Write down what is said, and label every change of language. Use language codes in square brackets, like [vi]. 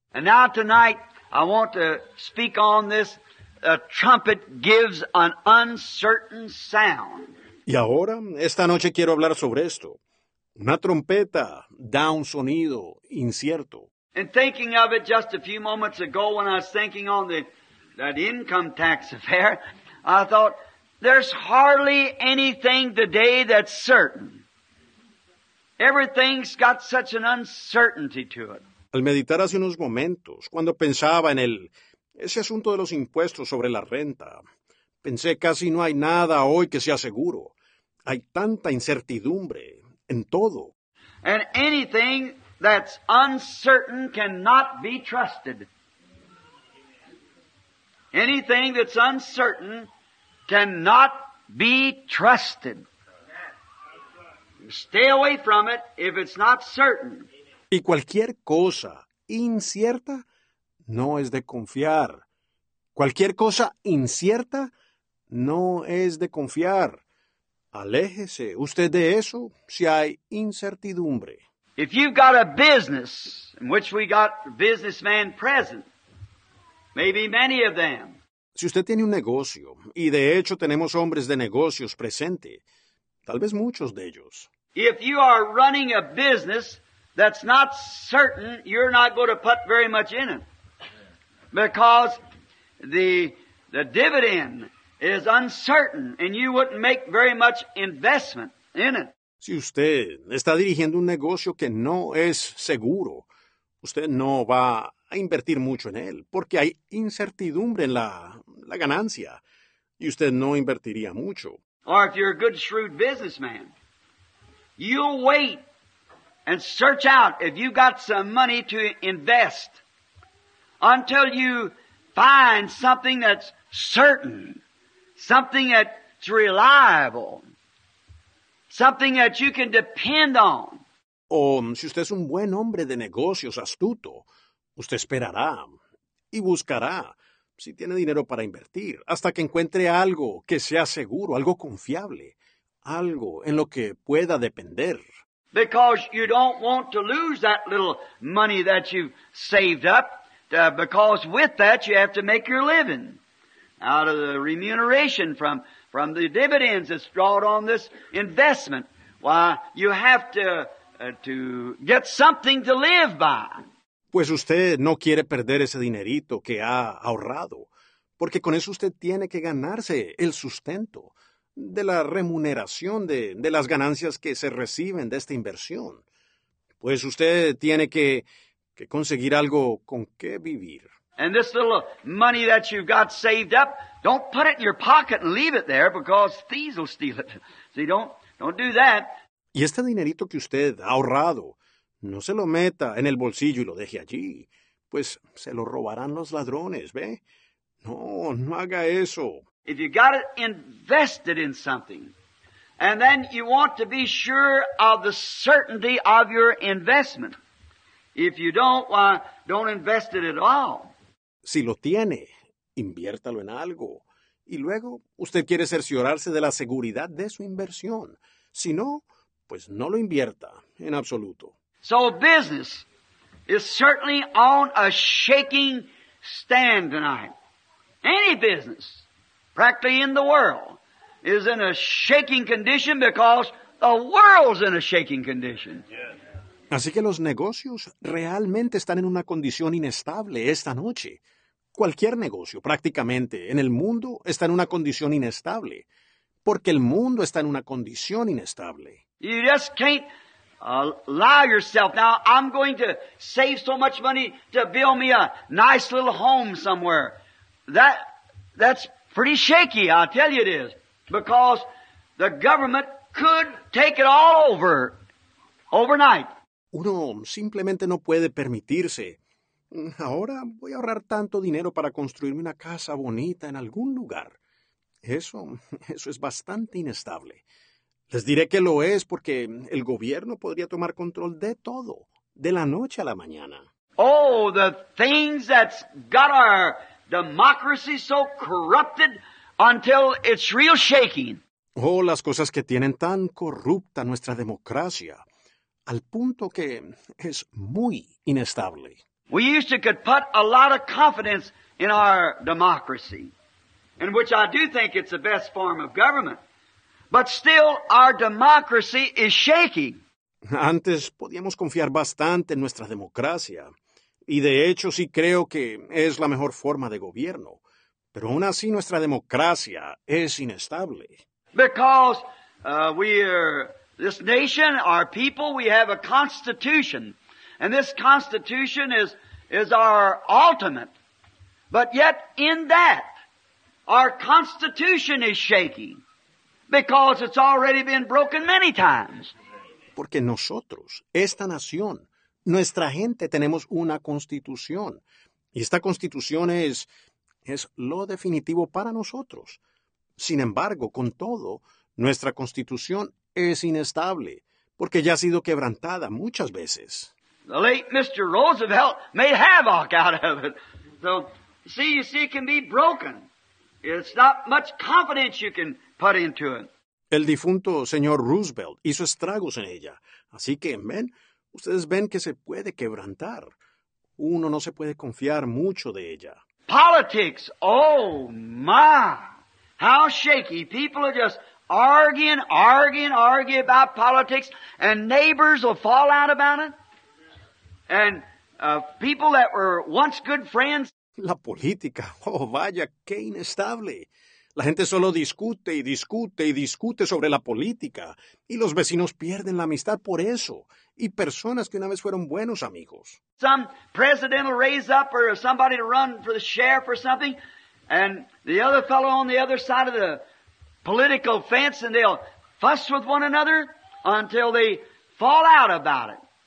[en] And now tonight, I want to speak on this. A trumpet gives an uncertain sound. [es] Y ahora, esta noche quiero hablar sobre esto. Una trompeta da un sonido incierto. [en] And thinking of it just a few moments ago when I was thinking on that income tax affair, I thought, there's hardly anything today that's certain. Everything's got such an uncertainty to it. [es] Al meditar hace unos momentos, cuando pensaba en ese asunto de los impuestos sobre la renta, pensé casi no hay nada hoy que sea seguro. Hay tanta incertidumbre en todo. [en] And anything that's uncertain cannot be trusted. Anything that's uncertain cannot be trusted. Stay away from it if it's not certain. [es] Y cualquier cosa incierta no es de confiar. Cualquier cosa incierta no es de confiar. Aléjese usted de eso si hay incertidumbre. [en] If you've got a business in which we got businessmen present, maybe many of them. [es] Si usted tiene un negocio, y de hecho tenemos hombres de negocios presente, tal vez muchos de ellos. [en] If you are running a business that's not certain, you're not going to put very much in it. Because the dividend is uncertain and you wouldn't make very much investment in it. [es] Si usted está dirigiendo un negocio que no es seguro, usted no va a invertir mucho en él porque hay incertidumbre en la ganancia y usted no invertiría mucho. [en] Or if you're a good, shrewd businessman, you'll wait and search out if you've got some money to invest until you find something that's certain, something that's reliable, something that you can depend on. [es] O si usted es un buen hombre de negocios, astuto, usted esperará y buscará si tiene dinero para invertir hasta que encuentre algo que sea seguro, algo confiable. Algo en lo que pueda depender. [en] Because you don't want to lose that little money that you've saved up. Because with that you have to make your living. Out of the remuneration from the dividends that's drawn on this investment. Why, you have to get something to live by. [es] Pues usted no quiere perder ese dinerito que ha ahorrado. Porque con eso usted tiene que ganarse el sustento. De la remuneración de las ganancias que se reciben de esta inversión. Pues usted tiene que conseguir algo con qué vivir. [en] And this little money that you've got saved up, don't put it in your pocket and leave it there because thieves will steal it. See, don't do that. [es] Y este dinerito que usted ha ahorrado, no se lo meta en el bolsillo y lo deje allí. Pues se lo robarán los ladrones, ¿ve? No haga eso. [en] If you got it invested in something, and then you want to be sure of the certainty of your investment. If you don't, why, don't invest it at all. [es] Si lo tiene, inviértalo en algo. Y luego, usted quiere cerciorarse de la seguridad de su inversión. Si no, pues no lo invierta en absoluto. [en] So business is certainly on a shaking stand tonight. Any business. Practically in the world, is in a shaking condition because the world's in a shaking condition. Yeah. [es] Así que los negocios realmente están en una condición inestable esta noche. Cualquier negocio, prácticamente, en el mundo está en una condición inestable, porque el mundo está en una condición inestable. [en] You just can't allow yourself. Now, I'm going to save so much money to build me a nice little home somewhere. That's pretty shaky, I'll tell you it is, because the government could take it all over overnight. [es] Uno simplemente no puede permitirse. Ahora voy a ahorrar tanto dinero para construirme una casa bonita en algún lugar. Eso es bastante inestable. Les diré que lo es porque el gobierno podría tomar control de todo, de la noche a la mañana. [en] Oh, the things that's got our democracy so corrupted until it's real shaking. [es] Oh, las cosas que tienen tan corrupta nuestra democracia, al punto que es muy inestable. [en] We used to could put a lot of confidence in our democracy, in which I do think it's the best form of government. But still, our democracy is shaky. [es] Antes podíamos confiar bastante en nuestra democracia, y de hecho sí creo que es la mejor forma de gobierno. Pero aún así nuestra democracia es inestable. [en] Because we are this nation, our people, we have a constitution. And this constitution is our ultimate. But yet in that, our constitution is shaking because it's already been broken many times. [es] Porque nosotros, esta nación, nuestra gente, tenemos una constitución. Y esta constitución es lo definitivo para nosotros. Sin embargo, con todo, nuestra constitución es inestable porque ya ha sido quebrantada muchas veces. [en] The late Mr. Roosevelt made havoc out of it. So, you see, it can be broken. It's not much confidence you can put into it. [es] El difunto señor Roosevelt hizo estragos en ella. Así que, ven, ustedes ven que se puede quebrantar. Uno no se puede confiar mucho de ella. [en] Politics, oh my, how shaky. People are just arguing about politics, and neighbors will fall out about it. And people that were once good friends. [es] La política, oh vaya, qué inestable. La gente solo discute y discute y discute sobre la política. Y los vecinos pierden la amistad por eso. Y personas que una vez fueron buenos amigos. [en] Some president will raise up or somebody to run for the sheriff or something. And the other fellow on the other side of the political fence and they'll fuss with one another until they fall out about it.